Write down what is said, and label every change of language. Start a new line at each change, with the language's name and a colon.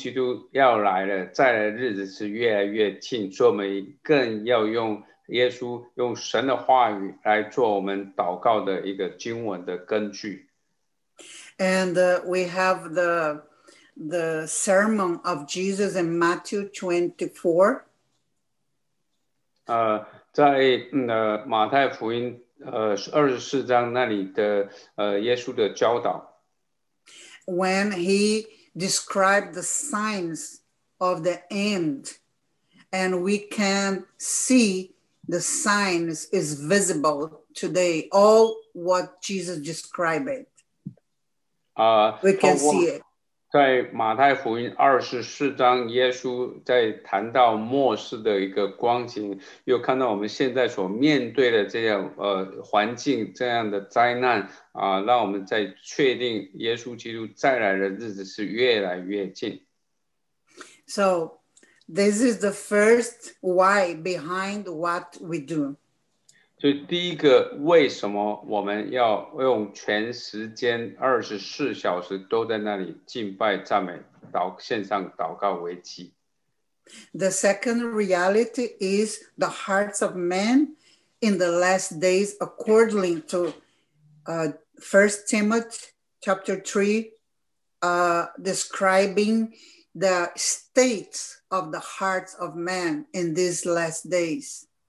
Chinese: 第一个是耶稣基督要来了, 再来的日子是越来越近, 所以我们更要用 耶稣, 用神的话语, 来做我们祷告的一个经文的根据。
English: And we have the sermon of Jesus in Matthew 24.
Chinese: 在, 马太福音, 24章那里的, 耶稣的教导。
English: When he described the signs of the end, and we can see the signs is visible today, all what Jesus described. We can see it.
Chinese: 在马太福音24章, 耶稣在谈到末世的一个光景, 又看到我们现在所面对的这样, 环境, 这样的灾难, 让我们再确定耶稣基督再来的日子是越来越近。
English: So, this is the first why behind what we do.
Chinese: 所以第一个为什么我们要用全时间24小时都在那里敬拜、赞美、祷献上祷告为祭。
English: The second reality is the hearts of men in the last days according to 1 Timothy chapter 3 describing the states of the hearts of men in these last days.